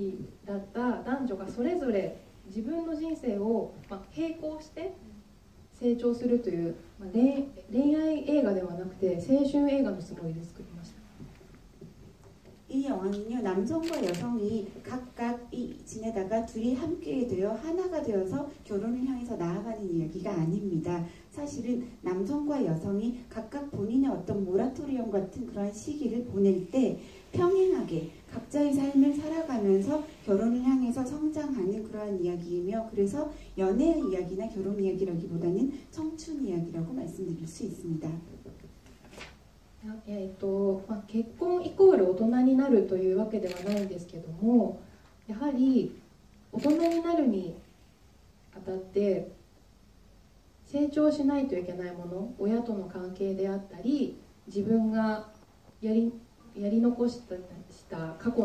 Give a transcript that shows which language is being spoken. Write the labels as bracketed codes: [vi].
[ja] これは男性女性それぞれが二人で一緒に結婚に進むっていうお話ではなくて結婚に向かってモラトリアム期だった男女がそれぞれ 自分の人生を並行して成長するという恋愛映画ではなくて青春映画のつもりで作りました。 [ko] 이 영화는요 남성과 여성이 각각 지내다가 둘이 함께 되어 하나가 되어서 결혼을 향해서 나아가는 이야기가 아닙니다. 사실은 남성과 여성이 각각 본인의 어떤 모라토리엄 같은 그런 시기를 보낼 때 평행하게 각자의 삶을 살아가면서 결혼을 향해서 성장하는 그러한 이야기이며 그래서 연애 이야기나 결혼 이야기라기보다는 청춘 이야기라고 말씀드릴 수 있습니다. 결혼 이퀄 어른이 [ja] なるというわけではないんですけども やはり大人になるにあたって成長しないといけないもの親との関係であったり自分がやり残した